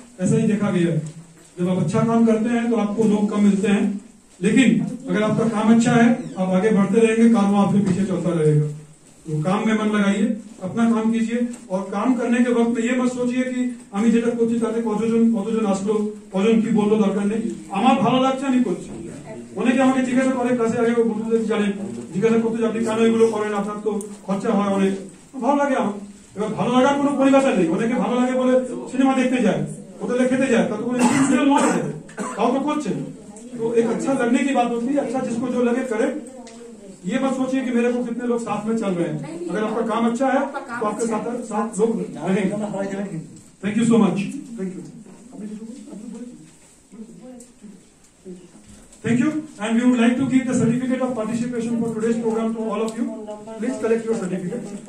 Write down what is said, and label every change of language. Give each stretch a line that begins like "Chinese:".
Hindi: ऐसा ही देखा गया, जब आप अच्छा काम करते हैं तो आपको लोग कम मिलते हैं, लेकिन अगर आपका काम अच्छा है आप आगे बढ़ते रहेंगे, कारवा आपके पीछे चलता रहेगा. तो काम में मन लगाइए, अपना काम कीजिए और काम करने के वक्त में ये मत सोचिए कि
Bangla: আমি যেটা করছি তাতে কতজন কতজন আসলো কতজন কি বললো দরকার নেই, আমার ভালো লাগছে আমি করছি. অনেকে আমাকে জিজ্ঞাসা করে কাছে আগে বন্ধুদের জানে জিজ্ঞাসা করতে যে আপনি কেন এগুলো করেন, আপনার তো খরচা হয় অনেক, ভালো লাগে আমার. এবার ভালো লাগার কোনো পরিভাষা নেই, অনেকে ভালো লাগে বলে সিনেমা দেখতে যায় হোটেলে খেতে যায় ততক্ষণ তাও তো করছে.
Hindi: তো এক আচ্ছা লাগনে কি বাত হতি, আচ্ছা জিসকো জো লাগে করে. ये मत सोचिए कि मेरे को कितने लोग साथ में चल रहे हैं, अगर आपका काम अच्छा है तो आपके साथ साथ लोग रहेंगे.
English: Thank you so much, thank you, thank you. And we would like to give the certificate of participation for today's programme to all of you, please collect your certificate.